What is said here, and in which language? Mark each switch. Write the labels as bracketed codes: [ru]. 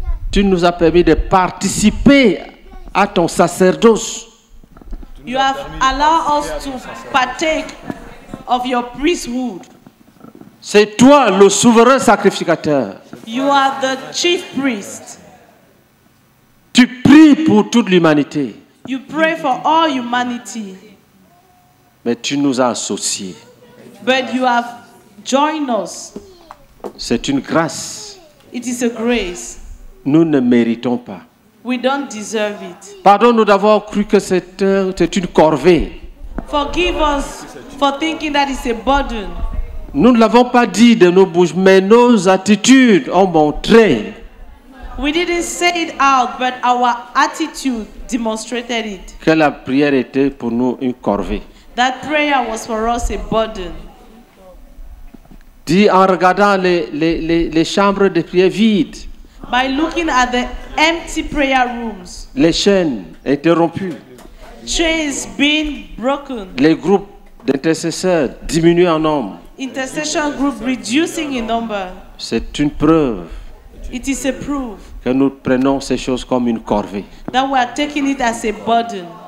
[fr] Tu nous as permis de participer à ton sacerdoce. [en] You have allowed us to partake of your priesthood. [fr] C'est toi le souverain sacrificateur. [en] You are the chief priest. [fr] Tu pries pour toute l'humanité. [en] You pray for all humanity. [fr] Mais tu nous as associés. [en] But you have joined us. [fr] C'est une grâce. [en] It is a grace. [fr] Nous ne méritons pas. [en] We don't deserve it. [fr] Pardonne-nous d'avoir cru que c'est une corvée. [en] Forgive us for thinking that it's a burden. [fr] Nous ne l'avons pas dit de nos bouches, mais nos attitudes ont montré. [en] We didn't say it out, but our attitude demonstrated it. [fr] Que la prière était pour nous une corvée. [en] That prayer was for us a burden. [fr] Dis en regardant les chambres de prière vides. [en] By looking at the empty prayer rooms. [fr] Les chaînes interrompues. [en] Chains being broken. [fr] Les groupes d'intercesseurs diminués en nombre. [en] Intercession group reducing in number. [fr] C'est une preuve. [en] It is a proof. [fr] Que nous prenons ces choses comme une corvée. [en] That we are taking it as a burden.